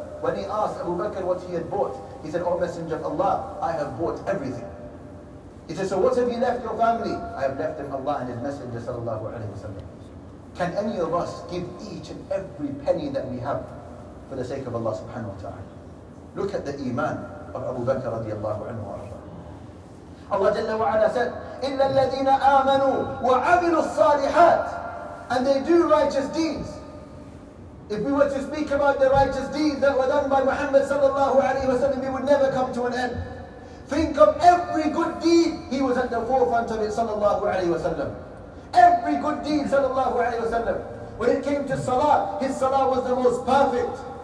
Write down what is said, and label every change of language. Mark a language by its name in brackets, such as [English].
[English] When he asked Abu Bakr what he had bought, he said, O Messenger of Allah, I have bought everything. He said, so what have you left your family? I have left them Allah and His Messenger sallallahu alayhi wa sallam. Can any of us give each and every penny that we have for the sake of Allah subhanahu wa ta'ala? Look at the iman of Abu Bakr radiallahu anhu. Allah Jalla wa'ala said, [Arabic] إِلَّا الَّذِينَ آمَنُوا وَعَمِلُوا الصَّالِحَاتِ. [English] And they do righteous deeds. If we were to speak about the righteous deeds that were done by Muhammad sallallahu alayhi wa sallam, it would never come to an end. Think of every good deed, he was at the forefront of it sallallahu alayhi wa sallam. Every good deed sallallahu alayhi wa sallam. When it came to salah, his salah was the most perfect.